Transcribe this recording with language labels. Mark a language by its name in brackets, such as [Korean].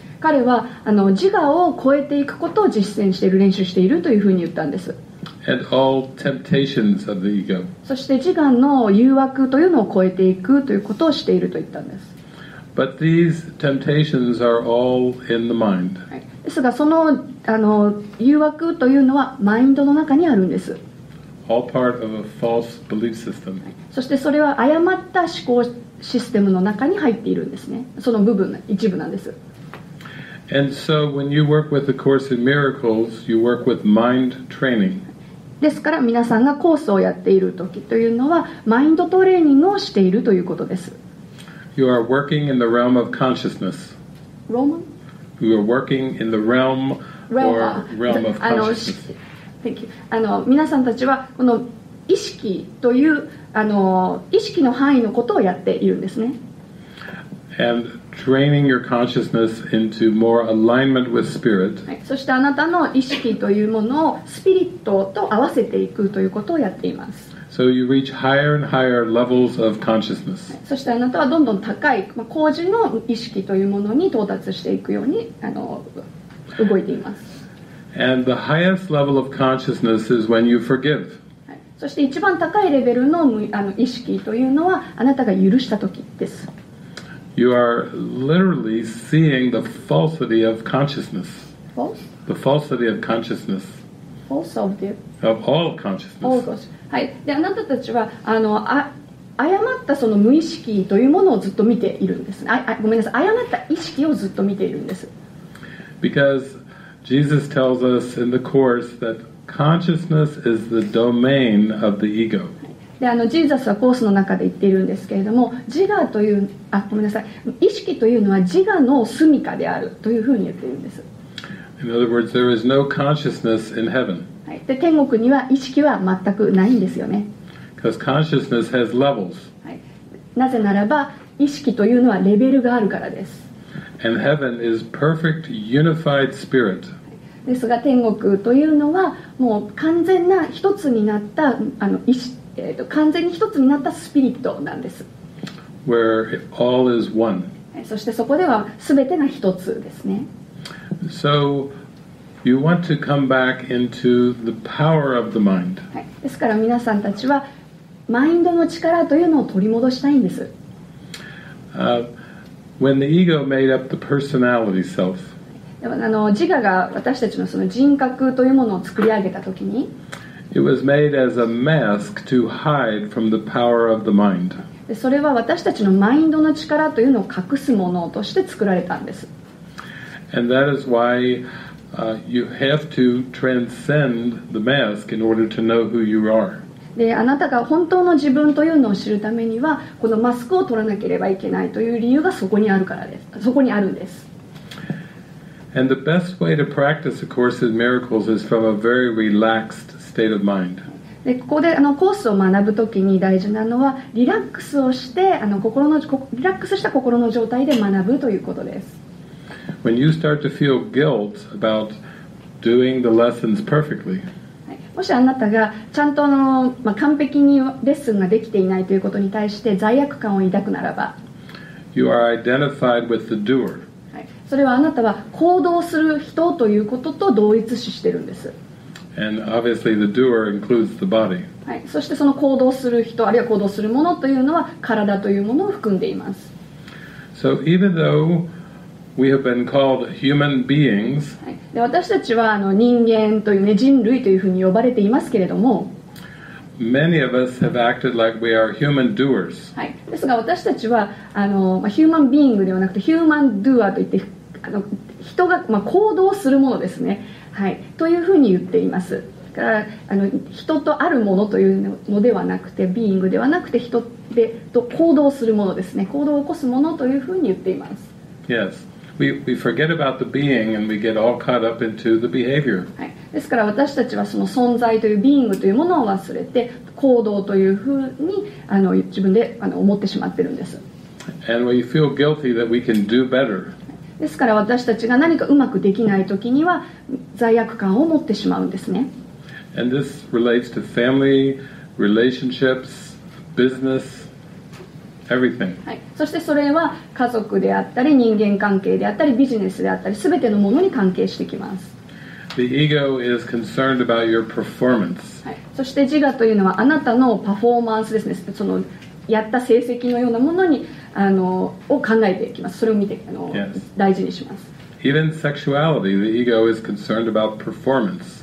[Japanese] 彼は自我を超えていくことを実践している、練習しているというふうに言ったんです。 [English] And all temptations of the ego. [Japanese] そして自我の誘惑というのを超えていくということをしていると言ったんです。 [English] But these temptations are all in the mind. [Japanese] ですがその誘惑というのはマインドの中にあるんです。 [English] All part of a false belief system. [Japanese] そしてそれは誤った思考システムの中に入っているんですね。その部分、一部なんです。 [English] And so when you work with the Course in Miracles, you work with mind training. [Japanese] ですから皆さんがコースをやっている時というのはマインドトレーニングをしているということです。 [English] You are working in the realm of consciousness. Roman? You are working in the realm or realm of consciousness. Thank you. [Japanese] 皆さんたちはこの意識という意識の範囲のことをやっているんですね。 [English] and training your consciousness into more alignment with spirit. [Japanese] そしてあなたの意識というものをスピリットと合わせていくということをやっています。 [English] So you reach higher and higher levels of consciousness. [Japanese] そしてあなたはどんどん高い、まあ、高次の意識というものに到達していくように動いています。 [English] And the highest level of consciousness is when you forgive. [Japanese] そして一番高いレベル の意識というのはあなたが許した時です。 [English] You are literally seeing the falsity of consciousness. False? The falsity of consciousness. False of the... Of all consciousness. All consciousness. [Japanese] はい、であなたたちは誤ったその無意識というものをずっと見ているんです。ごめんなさい、誤った意識をずっと見ているんです。 [English] Because Jesus tells us in the course that consciousness is the domain of the ego. [Japanese] でジーザスはコースの中で言っているんですけれども、自我という意識というのは自我の住処であるというふうに言っているんです。 [English] In other words, there is no consciousness in heaven. [Japanese] で天国には意識は全くないんですよね。 [English] Because consciousness has levels.、 [Japanese] はい、なぜならば意識というのはレベルがあるからです。 [English] And heaven is perfect unified spirit. [Japanese] ですが天国というのはもう完全な一つになった完全に一つになったスピリットなんです。 [English] Where all is one. [Japanese] そしてそこでは全てが一つですね。 [English] SoYou want to come back into the power of the mind. [Japanese] ですから皆さんたちはマインドの力というのを取り戻したいんです。 [English] When the ego made up the personality self, [Japanese] 自我が私たちのその人格というものを作り上げたときに、 [English] it was made as a mask to hide from the power of the mind. [Japanese] それは私たちのマインドの力というのを隠すものとして作られたんです。 [English] And that is why. You have to transcend the mask in order to know who you are. [Japanese] で、あなたが本当の自分というのを知るためにはこのマスクを取らなければいけないという理由がそこにあるからです。そこにあるんです。 [English] And the best way to practice A Course in Miracles is from a very relaxed state of mind. [Japanese] で、ここでコースを学ぶときに大事なのはリラックスをして リラックスした心の状態で学ぶということです。 [English] When you start to feel guilt about doing the lessons perfectly, [Japanese] もしあなたがちゃんと完璧にレッスンができていないということに対して罪悪感を抱くならば、 [English] you are identified with the doer. [Japanese] それはあなたは行動する人ということと同一視しているんです。 [English] And obviously the doer includes the body. [Japanese] そしてその行動する人あるいは行動するものというのは体というものを含んでいます。 [English] So even though We have been called human beings. [Japanese] で、私たちは人間というね、人類というふうに呼ばれていますけれども、 [English] Many of us have acted like we are human doers. [Japanese] はい。ですが私たちはヒューマンビーングではなくてヒューマンドゥアといって人が、まあ、行動するものですね、はい、というふうに言っています。だから人とあるものというのではなくてビーングではなくて人でと行動するものですね、行動を起こすものというふうに言っています。 [English] Yes. We forget about the being and we get all caught up into the behavior. [Japanese] ですから私たちはその存在というビーングというものを忘れて行動というふうに自分で思ってしまってるんです。 [English] And we feel guilty that we can do better. [Japanese] ですから私たちが何かうまくできないときには罪悪感を持ってしまうんですね。 [English] And this relates to family, relationships, business. Everything. [Japanese] はい、そしてそれは家族であったり人間関係であったりビジネスであったり全てのものに関係してきます。 [English] The ego is concerned about your performance.、 [Japanese] はい、そして自我というのはあなたのパフォーマンスですね、そのやった成績のようなものにを考えていきます。それを見て大事にします。 [English] Even sexuality, the ego is concerned about performance.、